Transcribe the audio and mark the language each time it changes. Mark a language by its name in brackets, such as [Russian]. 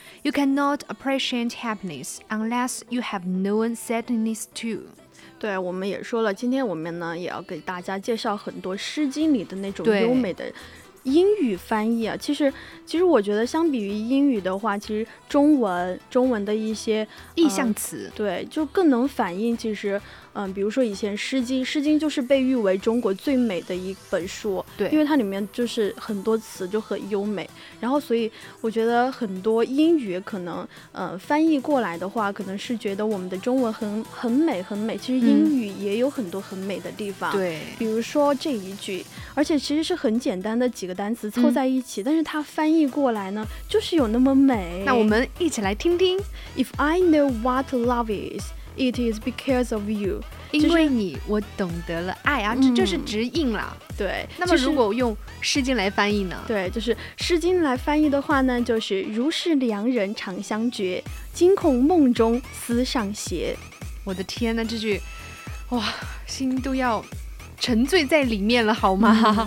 [English] You cannot appreciate happiness unless you have known sadness too. [Chinese] 对，我们也说了，今天我们呢也要给大家介绍很多《诗经》里的那种优美的英语翻译啊。其实我觉得相比于英语的话，其实中文的一些意象词，对，就更能反映其实比如说以前诗经就是被誉为中国最美的一本书。对，因为它里面就是很多词就很优美，然后所以我觉得很多英语可能翻译过来的话可能是觉得我们的中文很美。其实英语也有很多很美的地方，对，比如说这一句，而且其实是很简单的几个单词凑在一起，但是它翻译过来呢就是有那么美。那我们一起来听听。 [English] If I know what love is, it is because of you. [Chinese] 因为你、就是、我懂得了爱啊、嗯、这就是直印了。对，那么如果用诗经来翻译呢、就是、对，就是诗经来翻译的话呢，就是如是良人长相绝，惊恐梦中思上邪。我的天哪，这句哇，心都要沉醉在里面了好吗、